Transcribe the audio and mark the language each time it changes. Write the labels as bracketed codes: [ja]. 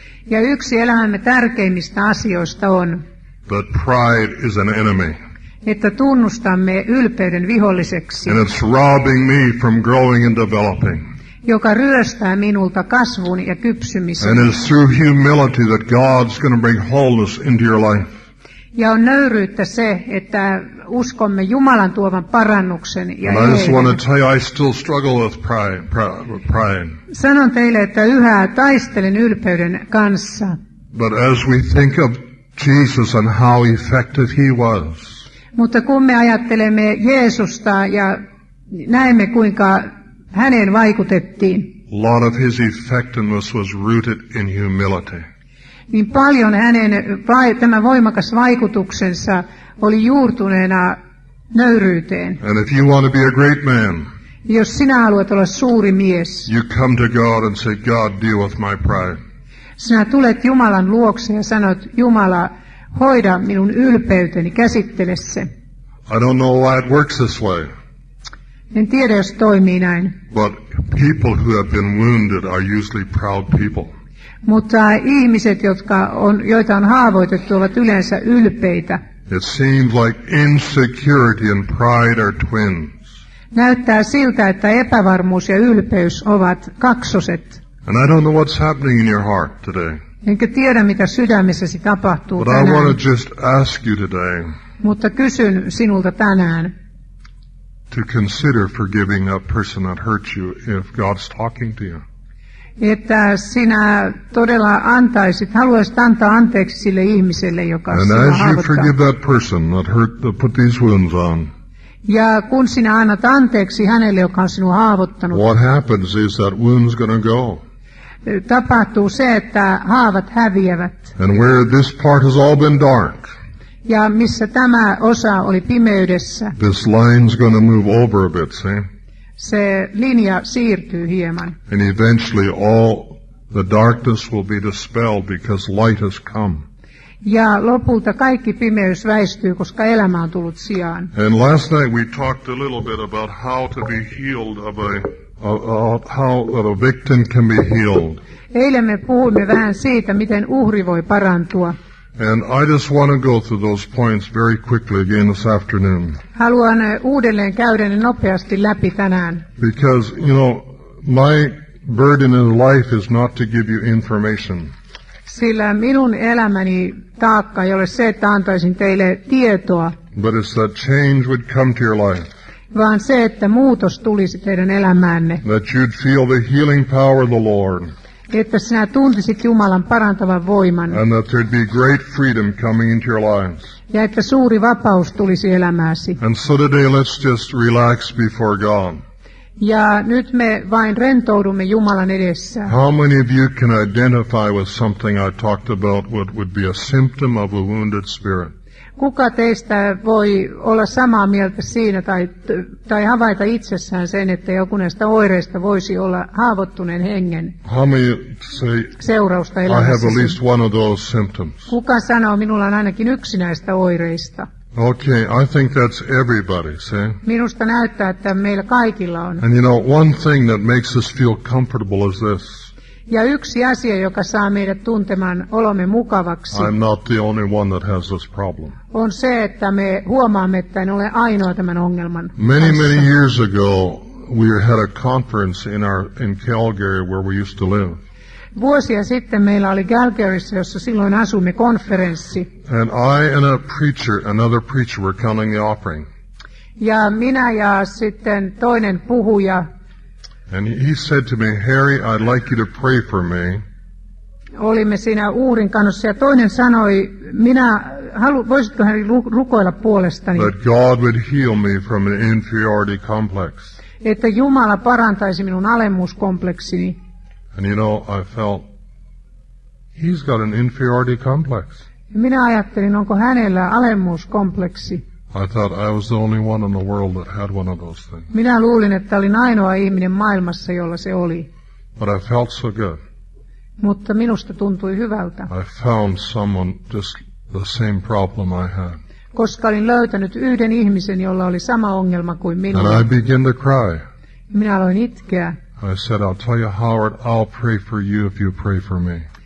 [fi] Ja yksi elämämme tärkeimmistä asioista on, [en] that pride is an enemy. [fi] Että tunnustamme ylpeyden viholliseksi. [en] And it's robbing me from growing and developing. [fi] Joka ryöstää minulta kasvun ja kypsymisen. [en] And it's through humility that God's going to bring wholeness into your life. [fi] Ja on nöyryyttä se, että uskomme Jumalan tuovan parannuksen ja heidän. Sanon teille, että yhä taistelen ylpeyden kanssa. [en] But as we think of Jesus and how effective he was. [fi] Mutta kun me ajattelemme Jeesusta ja näemme, kuinka häneen vaikutettiin. [en] A lot of his effectiveness was rooted in humility. [fi] Niin paljon hänen tämä voimakas vaikutuksensa oli juurtuneena nöyryyteen. [en] And if you want to be a great man, [fi] jos sinä haluat olla suuri mies, [en] you come to God and say, God, deal with my pride. [fi] Sinä tulet Jumalan luokse ja sanot, Jumala, hoida minun ylpeyteni, käsittele se. [en] I don't know why it works this way. [fi] En tiedä, jos toimii näin. [en] But people who have been wounded are usually proud people. [fi] Mutta ihmiset, jotka on, joita on haavoitettu, ovat yleensä ylpeitä. [en] It seems like insecurity and pride are twins. [fi] Näyttää siltä, että epävarmuus ja ylpeys ovat kaksoset. [en] And I don't know what's happening in your heart today. [fi] Enkä tiedä, mitä sydämessäsi tapahtuu [en] But [fi] tänään. [en] I want to just ask you today, [fi] mutta kysyn sinulta tänään. [en] To consider forgiving a person that hurt you if God's talking to you. [fi] Että sinä todella antaisit, haluaisit antaa anteeksi sille ihmiselle, joka sinua haavoittaa. [en] That that hurt, put these on, [fi] Ja kun sinä annat anteeksi hänelle, joka on sinua haavoittanut. [en] What happens is that wound's gonna go. [fi] Tapahtuu se, että haavat häviävät. [en] And where this part has all been dark. [fi] Ja missä tämä osa oli pimeydessä. [en] This line's gonna move over a bit, see? [fi] Se linja siirtyy hieman. [en] And eventually all the darkness will be dispelled because light has come. [fi] Ja lopulta kaikki pimeys väistyy, koska elämä on tullut sijaan. [en] And last night we talked a little bit about how to be healed of how a victim can be healed. [fi] Eilen me puhuimme vähän siitä, miten uhri voi parantua. [en] And I just want to go through those points very quickly again this afternoon. [fi] Haluan uudelleen käydä ne nopeasti läpi tänään. [en] Because, you know, my burden in life is not to give you information. [fi] Sillä minun elämäni taakka ei ole se, että antaisin teille tietoa. [en] But it's that change would come to your life. [fi] Vaan se, että muutos tulisi teidän elämäänne. [en] That you'd feel the healing power of the Lord. [fi] Että sinä tuntisit Jumalan parantavan voiman. [en] And that there'd be great freedom coming into your lives. [fi] Ja että suuri vapaus tulisi elämääsi. [en] And so today let's just relax before God. [fi] Ja nyt me vain rentoudumme Jumalan edessä. [en] How many of you can identify with something I talked about what would be a symptom of a wounded spirit? [fi] Kuka teistä voi olla samaa mieltä siinä tai havaita itsessään sen, että joku näistä oireista voisi olla haavoittuneen hengen seurausta elämässäsi? Kuka sanoo, minulla on ainakin yksi näistä oireista? [en] Okay, I think that's everybody, see? [fi] Minusta näyttää, että meillä kaikilla on. [en] And you know, one thing that makes us feel comfortable is this. [fi] Ja yksi asia, joka saa meidät tuntemaan olomme mukavaksi, [en] I'm not the only one that has this problem. [fi] On se, että me huomaamme, että en ole ainoa tämän ongelman. [en] Many, [fi] kanssa. [en] Many years ago, we had a conference in Calgary, where we used to live. [fi] Vuosia sitten meillä oli Calgaryssä, jossa silloin asumme, konferenssi. [en] And I and a preacher, another preacher, were counting the offering. [fi] Ja minä ja sitten toinen puhuja. [en] And he said to me, Harry, I'd like you to pray for me. [fi] Olimme siinä uhrin kannossa ja toinen sanoi, minä voisitko Harry rukoilla puolestani. [en] That God would heal me from an inferiority complex. [fi] Että Jumala parantaisi minun alemmuuskompleksini. [en] And you know, I felt, he's got an inferiority complex. [fi] Minä ajattelin, onko hänellä alemmuuskompleksi. [en] I thought I was the only one in the world that had one of those things. [fi] Minä luulin, että olin ainoa ihminen maailmassa, jolla se oli. [en] But I felt so good. [fi] Mutta minusta tuntui hyvältä. [en] I found someone just the same problem I had. [fi] Koska olin löytänyt yhden ihmisen, jolla oli sama ongelma kuin minulla. [en] And I began to cry. [fi] Minä aloin itkeä. [en] I said, I'll tell you, Howard, I'll pray for you if you pray for me.